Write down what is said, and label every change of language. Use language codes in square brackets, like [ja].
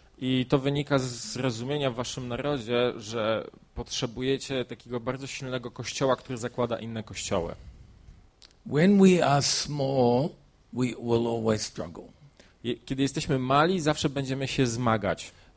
[pl] I to wynika z zrozumienia w waszym narodzie, że potrzebujecie takiego bardzo silnego kościoła, który zakłada inne kościoły. [en] When we are small, we will always struggle. [pl] Kiedy jesteśmy mali, zawsze będziemy się zmagać.